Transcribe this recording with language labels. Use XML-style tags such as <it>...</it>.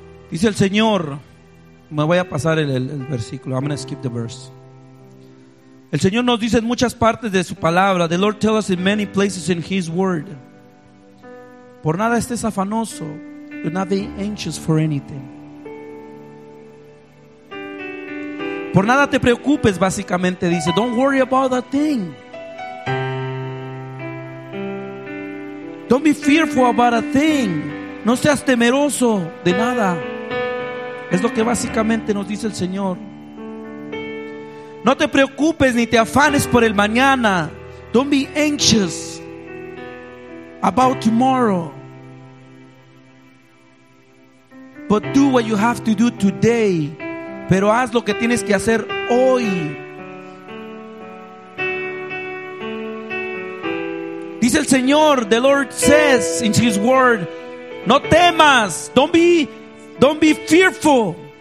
<es>Dice el Señor, me voy a pasar el versículo.</es> <en>I'm going to skip the verse.</en> <es>El Señor nos dice en muchas partes de su palabra.</es> <en>The Lord tells us in many places in His word.</en> <es>Por nada estés afanoso.</es> <en>Do not be anxious for anything.</en> <es>Por nada te preocupes, básicamente dice.</es> <en>Don't worry about that thing. Don't be fearful about a thing.</en> <es>No seas temeroso de nada. Es lo que básicamente nos dice el Señor. No te preocupes ni te afanes por el mañana.</es> <en>Don't be anxious about tomorrow. But do what you have to do today.</en> <es>Pero haz lo que tienes que hacer hoy. Dice el Señor,</es> <en>the Lord says in His word,</en> <es>no temas,</es> <en>don't be fearful.</en>